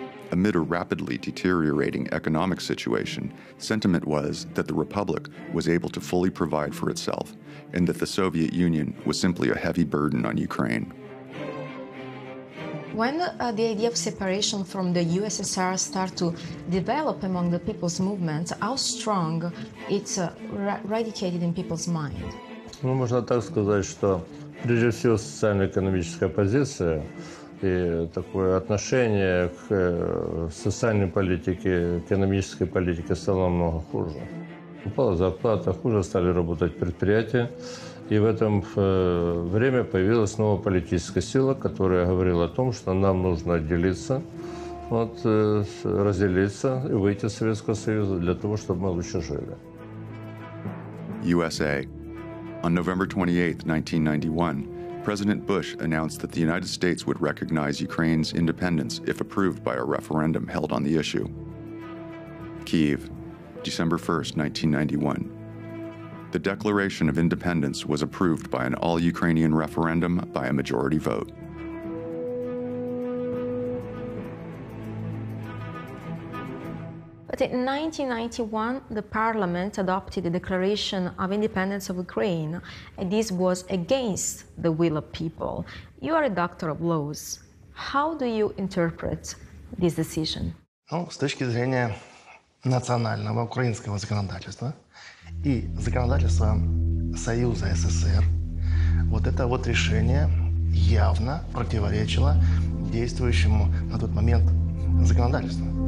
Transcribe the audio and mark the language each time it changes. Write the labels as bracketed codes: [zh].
[en] Amid a rapidly deteriorating economic situation, sentiment was that the Republic was able to fully provide for itself and that the Soviet Union was simply a heavy burden on Ukraine. When the idea of separation from the USSR started to develop among the people's movement, how strong it's radicated in people's mind? [uk] Можна так сказати, що [ru] прежде всего социально-экономическая позиция принципе, такое отношение к социальной политике, экономической политике стало намного хуже. Упала зарплата, хуже стали работать предприятия. И в этом время появилась новая политическая сила, которая говорила о том, что нам нужно отделиться, вот, разделиться и выйти из Советского Союза для того, чтобы мы лучше жили. [en] USA. On November 28, 1991, President Bush announced that the United States would recognize Ukraine's independence if approved by a referendum held on the issue. Kyiv, December 1, 1991. The Declaration of Independence was approved by an all-Ukrainian referendum by a majority vote. But in 1991, the parliament adopted the Declaration of Independence of Ukraine, and this was against the will of people. You are a doctor of laws. How do you interpret this decision? [ru] Ну, [uk] з точки зрения національного українського законодавства і законодавства Союзу СССР, [ru] вот это вот решение явно противоречило действующему на тот момент законодательству.